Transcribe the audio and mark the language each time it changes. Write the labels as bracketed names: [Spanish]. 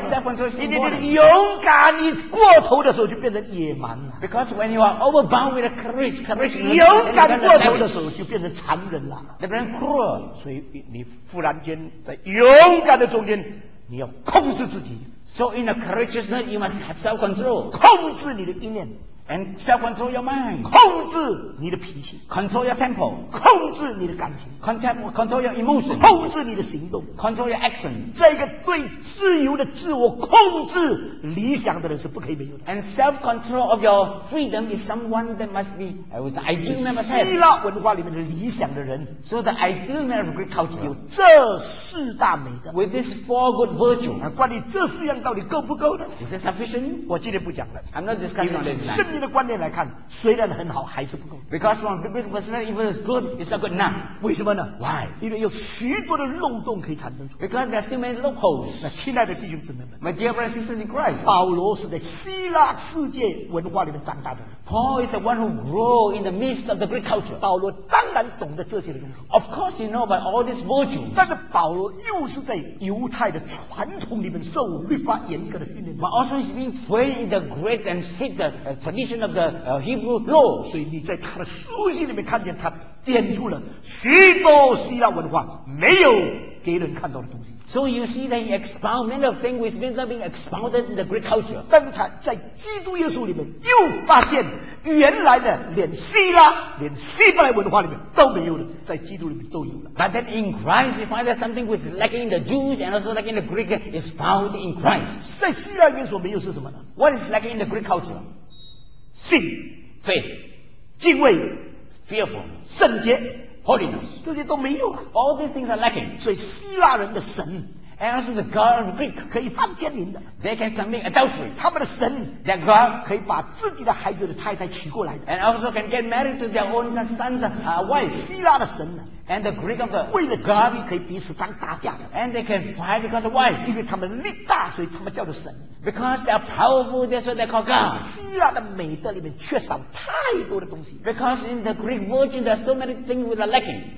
[English] ？Self-control 是 [Chinese] 你勇敢，你过头的时候就变成野蛮了。 [English] Because when you are overbound with courage, [Chinese] 勇敢过头的时候就变成残忍了。 [English] That becomes cruel。 [Chinese] 所以你忽然间在勇敢的中间，你要控制自己。 [English] So in a courageous man, you must have self-control. [Chinese] 控制你的意念。 [English] And self-control your mind. [Chinese] 控制你的脾气。 [English] Control your temper. [Chinese] 控制你的感情。 [English] Control your emotion. [Chinese] 控制你的行动。 [English] Control your action. [Chinese] 这个对自由的自我控制理想的人是不可以没有的。 [English] And self-control of your freedom is someone that must be, I was an ideal man. [Chinese] 希腊文化里面的理想的人。 [English] So the ideal man of Greek culture [Chinese] 有这四大美德。 [English] With these four good virtues. [Chinese] 关于这四样到底够不够的。 [English] Is this sufficient? [Chinese] 我今天不讲了。 [English] I'm not discussing this tonight. [Chinese] 你的观念来看，虽然很好，还是不够。 [English] Because from the biblical perspective, even it's good, it's not good enough. [Chinese] 为什么呢 [English] ？Why？ [Chinese] 因为有许多的漏洞可以产生出。 [English] Because there's still many loopholes. [Chinese] 那亲爱的弟兄姊妹们 [English] ，My dear brothers and sisters in Christ， [Chinese] 保罗是在希腊世界文化里面长大的。 [English] Paul is the one who grew in the midst of the Greek culture. [Chinese] 保罗当然懂得这些的东西。 [English] Of course, you know about all these virtues. [Chinese] 但是保罗又是在犹太的传统里面受律法严格的训练。 [English] But also he's been trained in the Greek and strict tradition of the Hebrew law. [Chinese] 所以你在他的书信里面看见他点出了许多希腊文化没有给人看到的东西。 [English] So you see that he expounded many of things which have not been expounded in the Greek culture. [Chinese] 但是他在基督耶稣里面又发现，原来呢，连希腊、连希伯来文化里面都没有的，在基督里面都有了。 [English] But then in Christ, he finds that something which is lacking in the Jews and also lacking in the Greek is found in Christ. [Chinese] 在希腊里面所没有是什么呢 [English] ？What is lacking in the Greek culture? [Chinese] 信 [English] ，faith， [Chinese] 敬畏 [English] ，fearful， [Chinese] 圣洁。 [English] Holiness. [Chinese] 这些都没有啊。 [English] All these things are lacking. [Chinese] 所以希腊人的神 [English] and also the God of Greek [Chinese] 可以犯奸淫的。 [English] They can commit adultery. [Chinese] 他们的神 [English] their God [Chinese] 可以把自己的孩子的太太娶过来的。 [English] And also can get married to their own son's wife. [Chinese] 希腊的神 [English] and the Greek of the God [Chinese] 为了权力可以彼此当打架的。 [English] And they can fight because of wife. [Chinese] 因为他们力大，所以他们叫做神。 [English] Because they are powerful, that's why they call God. [Chinese] 希腊的美德里面缺少太多的东西。 [English] Because in the Greek version, there are so many things we are lacking.